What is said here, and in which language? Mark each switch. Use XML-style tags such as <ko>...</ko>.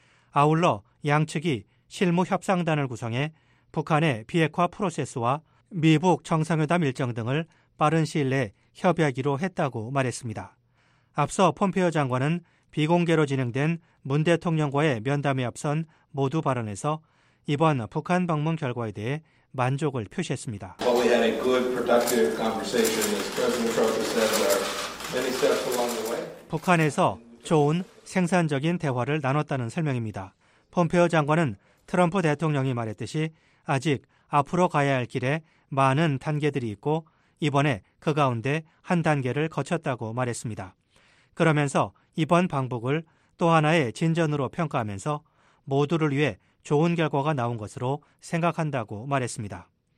<ko>아울러 양측이 실무 협상단을 구성해 북한의 비핵화 프로세스와 미북 정상회담 일정 등을 빠른 시일 내에 협의하기로 했다고 말했습니다. 앞서 폼페오 장관은 비공개로 진행된 문 대통령과의 면담에 앞선 모두 발언에서 이번 북한 방문 결과에 대해 만족을 표시했습니다.</ko> <en>Well, we had a good productive conversation as President Trump has said there are many steps along the way.</en> <ko>북한에서 좋은 생산적인 대화를 나눴다는 설명입니다. 폼페오 장관은 트럼프 대통령이 말했듯이 아직 앞으로 가야 할 길에 많은 단계들이 있고 이번에 그 가운데 한 단계를 거쳤다고 말했습니다. 그러면서 이번 방북을 또 하나의 진전으로 평가하면서 모두를 위해 좋은 결과가 나온 것으로 생각한다고 말했습니다.</ko>